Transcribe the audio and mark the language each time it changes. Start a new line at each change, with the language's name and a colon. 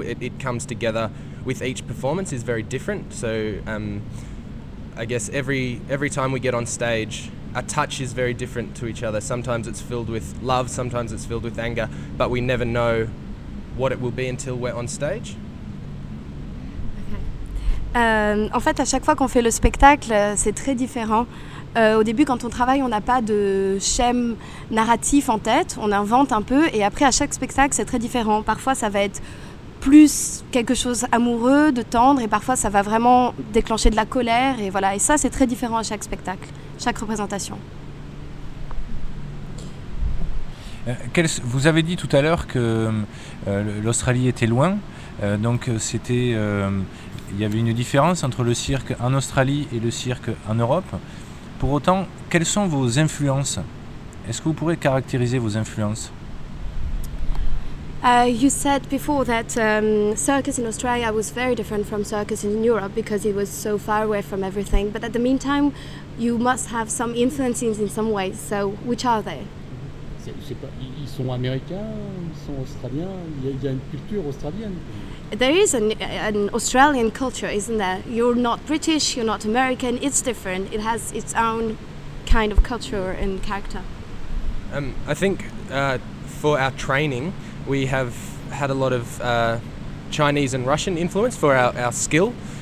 English: It comes together with each performance is very different. So I guess every time we get on stage, a touch is very different to each other. Sometimes it's filled with love, sometimes it's filled with anger, but we never know what it will be until we're on stage.
French: En fait, à chaque fois qu'on fait le spectacle, c'est très différent. Au début, quand on travaille, on n'a pas de schéma narratif en tête, on invente un peu, et après, à chaque spectacle, c'est très différent. Parfois, ça va être plus quelque chose d'amoureux, de tendre, et parfois, ça va vraiment déclencher de la colère, et voilà. Et ça, c'est très différent à chaque spectacle, chaque représentation. Vous avez dit tout à l'heure que l'Australie était loin, donc c'était... Il y avait une différence entre le cirque en Australie et le cirque en Europe. Pour autant, quelles sont vos influences? Est-ce que vous pourrez caractériser vos influences?
English: You said before that circus in Australia was very different from circus in Europe because it was so far away from everything. But at the meantime, you must have some influences in some ways. So, which are they?
French: Ils sont américains, ils sont australiens, il y a une culture australienne.
English: There is an Australian culture, isn't there? You're not British, you're not American, it's different. It has its own kind of culture and character. I think for our training, we have had a lot of Chinese and Russian influence for our skill.